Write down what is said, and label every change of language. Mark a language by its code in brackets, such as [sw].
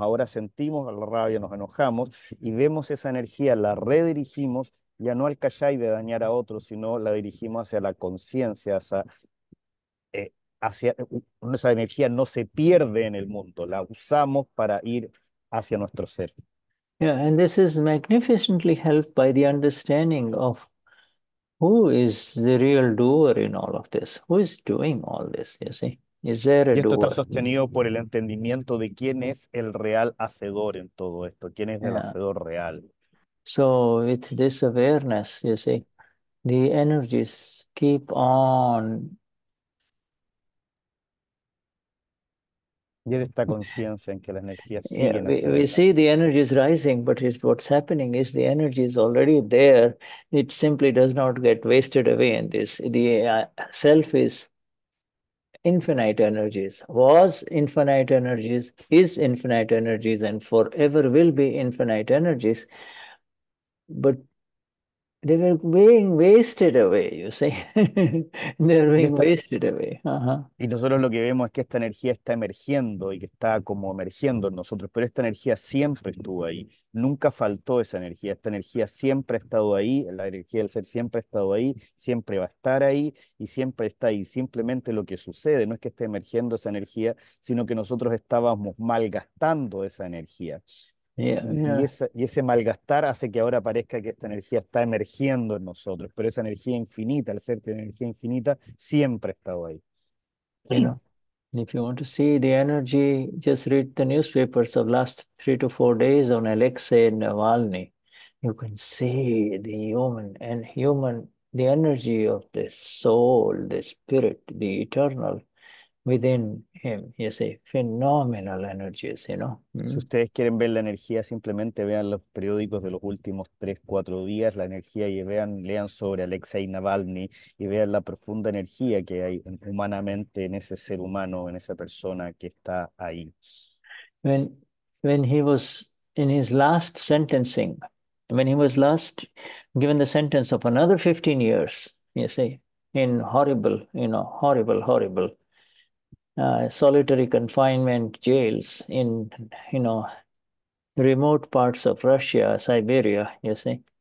[es] Ahora sentimos la rabia, nos enojamos y vemos esa energía, la redirigimos ya no al kashay de dañar a otros, sino la dirigimos hacia la conciencia, hacia esa energía no se pierde en el mundo, la usamos para ir hacia nuestro ser. [en] Yeah, and this is magnificently helped by the understanding of who is the real doer in all of this. Who is doing all this, you see? Is there a doer? [es] Y esto está sostenido por el entendimiento de quién es el real hacedor en todo esto. ¿Quién es el hacedor real? [en] So with this awareness, you see, the energies keep on... [es] Y esta conciencia en que la energía sigue [en] we see the energy is rising, but it's, what's happening is the energy is already there. It simply does not get wasted away in this. The self is infinite energies, was infinite energies, is infinite energies, and forever will be infinite energies. But They were being wasted away, you see. They were being wasted away. [es] Y nosotros lo que vemos es que esta energía está emergiendo y que está como emergiendo en nosotros, pero esta energía siempre estuvo ahí. Nunca faltó esa energía. Esta energía siempre ha estado ahí, la energía del ser siempre ha estado ahí, siempre va a estar ahí y siempre está ahí. Simplemente lo que sucede no es que esté emergiendo esa energía, sino que nosotros estábamos malgastando esa energía. Y ese malgastar hace que ahora parezca que esta energía está emergiendo en nosotros, pero esa energía infinita, el ser de energía infinita, siempre ha estado ahí. [en] You know, if you want to see the energy, just read the newspapers of last 3 to 4 days on Alexei Navalny. You can see the human, the energy of the soul, the spirit, the eternal within him. You see, phenomenal energies, you know. [es] Si ustedes quieren ver la energía, simplemente vean los periódicos de los últimos 3-4 días, la energía, y vean, lean sobre Alexei Navalny y vean la profunda energía que hay humanamente en ese ser humano, en esa persona que está ahí. [en] When he was in his last sentencing, when he was last given the sentence of another 15 years, you see, in horrible, you know, horrible, horrible, solitary confinement jails in, you know, remote parts of Russia, Siberia, you see.